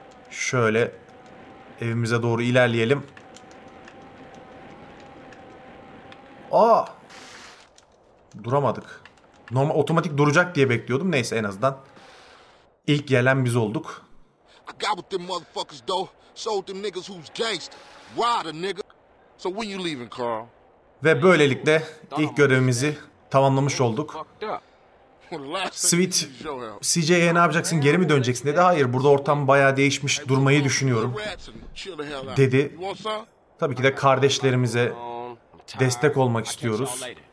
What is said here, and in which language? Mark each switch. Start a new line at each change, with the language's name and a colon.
Turkish: Şöyle evimize doğru ilerleyelim. Aa! Duramadık. Normal otomatik duracak diye bekliyordum. Neyse en azından ilk gelen biz olduk.
English: I got with them motherfuckers though. Sold them niggas who's gangster. Ryder nigga. So when you leaving, Carl?
Turkish: Ve böylelikle ilk görevimizi tamamlamış olduk. Sweet, CJ'ye ne yapacaksın, geri mi döneceksin dedi. Hayır, burada ortam bayağı değişmiş, durmayı düşünüyorum dedi. Tabii ki de kardeşlerimize destek olmak istiyoruz.